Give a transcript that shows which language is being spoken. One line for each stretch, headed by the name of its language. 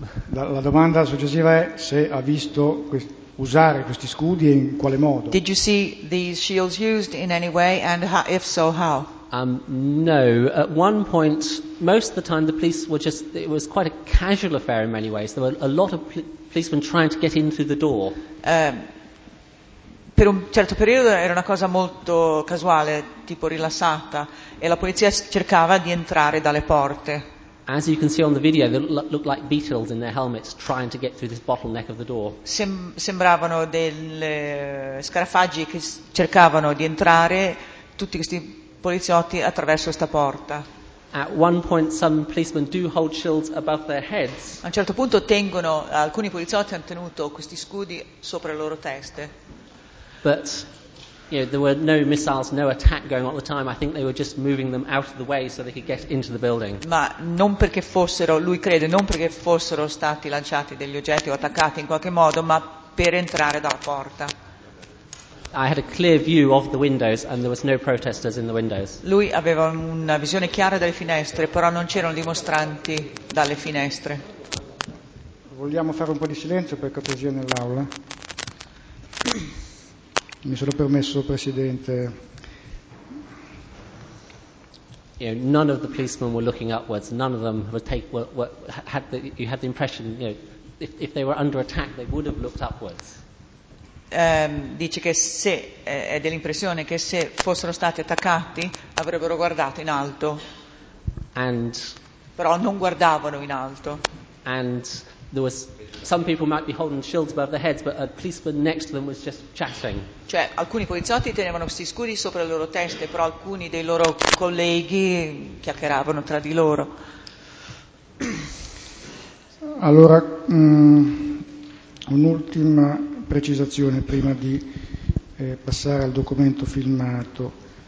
Italian: La domanda successiva è se ha visto usare questi scudi e in quale modo.
English: Did you see these shields used in any way, and if so, how? No. At one point, most of the time, the police were just—it was quite a casual affair in many ways. There were a lot of policemen trying to get in through the door.
Italian: Per un certo periodo era una cosa molto casuale, tipo rilassata, e la polizia cercava di entrare dalle porte.
English: As you can see on the video, they look like beetles in their helmets trying to get through this bottleneck of the door.
Italian: Sembravano delle scarafaggi che cercavano di entrare tutti questi poliziotti attraverso questa porta.
English: At one point, some policemen do hold shields above their heads.
Italian: A un certo punto tengono, alcuni poliziotti hanno tenuto questi scudi sopra le loro teste.
English: But you know, there were no missiles, no attack going on at the time. I think they were just moving them out of the way so they could get into the building.
Italian: Ma non perché fossero, lui crede, non perché fossero stati lanciati degli oggetti o attaccati in qualche modo, ma per entrare dalla porta.
English: I had a clear view of the windows and there was no protesters in the windows.
Italian: Lui aveva una visione chiara delle finestre, però non c'erano dimostranti dalle finestre. Vogliamo fare un po' di silenzio per cortesia nell'aula? Mi sono permesso, Presidente.
English: You know, none of the policemen were looking upwards. None of them would take you had the impression, you know, if they were under attack, they would have looked upwards.
Italian: Dice che se è dell'impressione che se fossero stati attaccati avrebbero guardato in alto.
English: And
Italian: però non guardavano in alto.
English: And there was some people might be holding shields above their heads, but a policeman next to them was just chatting.
Italian: Cioè alcuni poliziotti tenevano questi scudi sopra le loro teste, però alcuni dei loro colleghi chiacchieravano tra di loro. Allora un'ultima precisazione prima di passare al documento filmato.